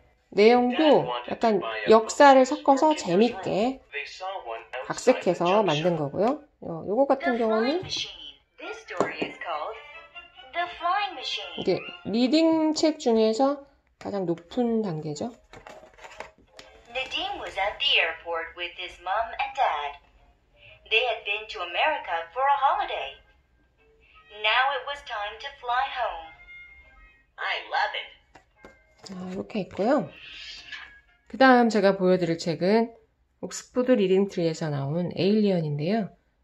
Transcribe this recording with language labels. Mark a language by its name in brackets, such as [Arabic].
[Korean] 내용도 약간 역사를 섞어서 재밌게 각색해서 만든 거고요. 요거 같은 경우는 [English] This story is called The flying machine. [Korean] 이게 리딩 책 중에서 가장 높은 단계죠. [English] Nadine was at the airport with his mom and dad. They had been to America for a holiday. Now it was time to fly home. I love it. [Korean] 아, 이렇게 있고요. 그 다음 제가 보여드릴 책은 옥스포드 리딩 트리에서 나온 에일리언인데요.